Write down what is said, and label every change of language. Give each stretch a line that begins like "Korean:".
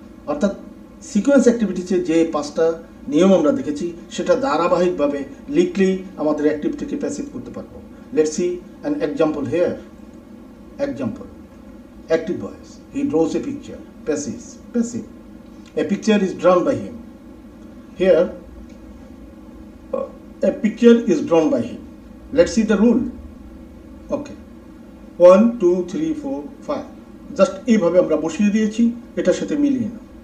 Bangla: অর্থাৎ সিকোয়েন্স অ্যাক্টিভিটিসের যে পাঁচটা নিয়ম আমরা দেখেছি সেটা ধারাবাহিকভাবে লিখলেই আমাদের অ্যাক্টিভ থেকে প্যাসিভ করতে পারবো।
English: Let's see an example here. Example, active voice, he draws a picture, passive, a picture is drawn by him. Here, a picture is drawn by him. Let's see the rule.
Bangla: Okay, 1, 2, 3, 4, 5, just এইভাবে আমরা বসিয়ে দিয়েছি, এটার সাথে মিলিয়ে না।